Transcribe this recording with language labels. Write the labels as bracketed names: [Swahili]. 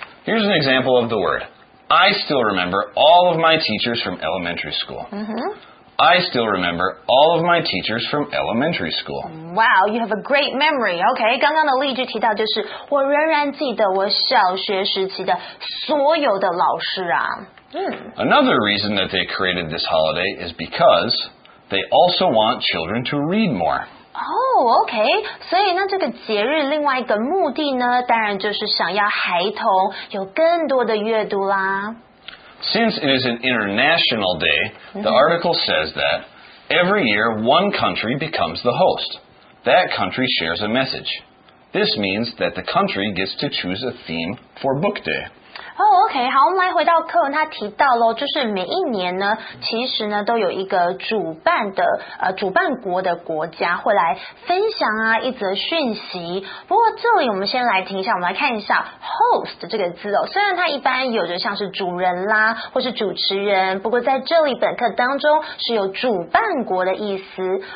[English] Here's an example of the word. I still remember all of my teachers from elementary school. I still remember all of my teachers from elementary school. Wow, you have a great memory. [Chinese] Okay, 刚刚的例句提到就是我仍然记得我小学时期的所有的老师啊。 [English] Another reason that they created this holiday is because they also want children to read more. [Chinese] Okay, 所以那这个节日另外一个目的呢，当然就是想要孩童有更多的阅读啦。 [English] Since it is an international day, the article says that every year one country becomes the host. That country shares a message. This means that the country gets to choose a theme for Book Day. [Chinese] Okay, 好，我们来回到课文，他提到了，就是每一年呢，其实呢都有一个主办的主办国的国家会来分享啊一则讯息。不过这里我们先来听一下，我们来看一下 host 这个字哦。虽然它一般有着像是主人啦，或是主持人，不过在这里本课当中是有主办国的意思。